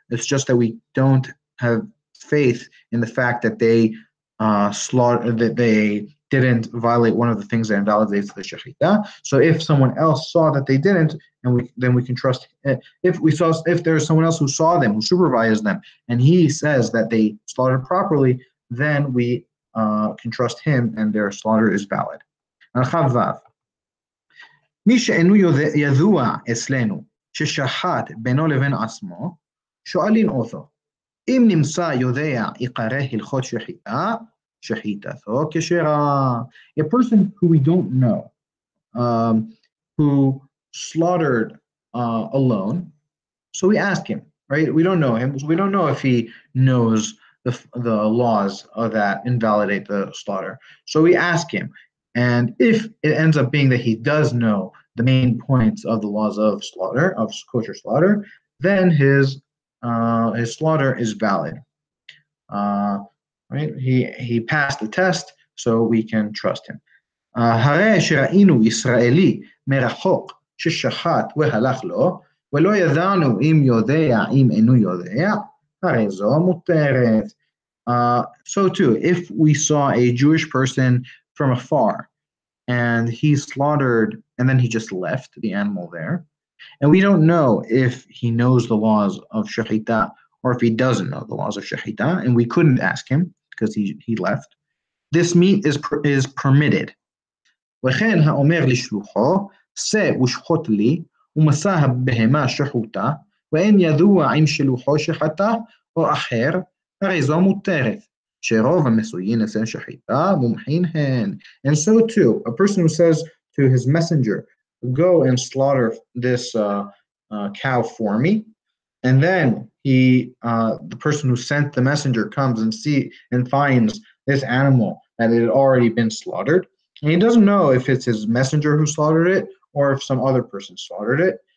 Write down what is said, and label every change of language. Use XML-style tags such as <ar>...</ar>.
<en>It's just that we don't have faith in the fact that they that they didn't violate one of the things that invalidates the shechita. So if someone else saw that they didn't, and we can trust, if there's someone else who saw them, who supervised them, and he says that they slaughtered properly, then we can trust him and their slaughter is valid.</en> <he>מי שאינו ידוע אצלנו ששחט בינו לבין עצמו, שואלים אותו, אם נמצא יודע עיקרי הלכות שחיטה, שחיטתו כשרה.</he> <en>A person who we don't know, who slaughtered alone, so we ask him, right? We don't know him, so we don't know if he knows the laws that invalidate the slaughter. So we ask him, and if it ends up being that he does know the main points of the laws of slaughter, of kosher slaughter, then his his slaughter is valid. Right? He passed the test, so we can trust him.</en> <he>הרי שראינו ישראלי מרחוק ששחט והלך לו, ולא ידענו אם יודע, אם אינו יודע, הרי זו מותרת.</he> <en>So too, if we saw a Jewish person from afar, and he slaughtered, and then he just left the animal there, and we don't know if he knows the laws of Shechita, or if he doesn't know the laws of Shechita, and we couldn't ask him, because he left, this meat is permitted.</en> <he>וכן האומר לשלוחו, שא ושחוט לי, ומסע הבהמה שחוטה, ואין ידוע אם שלוחו שחטה או אחר, הרי זו מותרת, שרוב המסויין אצל שחיטה מומחין הן.</he> <en>And so too, a person who says to his messenger, go and slaughter this cow for me, and then the person who sent the messenger comes and see and finds this animal that it had already been slaughtered, and he doesn't know if it's his messenger who slaughtered it or if some other person slaughtered it.</en>